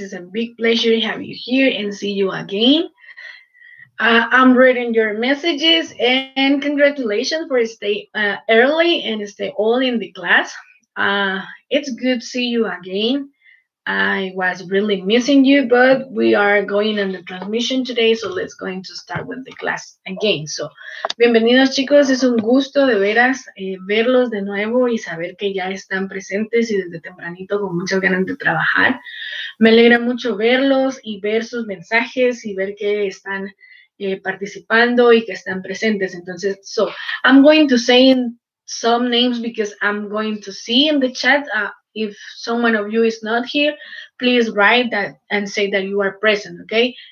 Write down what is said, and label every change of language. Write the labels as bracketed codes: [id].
[en] It's a big pleasure to have you here and see you again. I'm reading your messages and congratulations for stay early and stay all in the class. It's good to see you again. I was really missing you, but we are going on the transmission today, so let's going to start with the class again. [es] So, bienvenidos chicos, es un gusto de veras verlos de nuevo y saber que ya están presentes y desde tempranito con muchas ganas de trabajar. Me alegra mucho verlos y ver sus mensajes y ver que están participando y que están presentes. [en] Entonces, so, I'm going to say some names because I'm going to see in the chat if someone of you is not here, please write that and say that you are present, okay?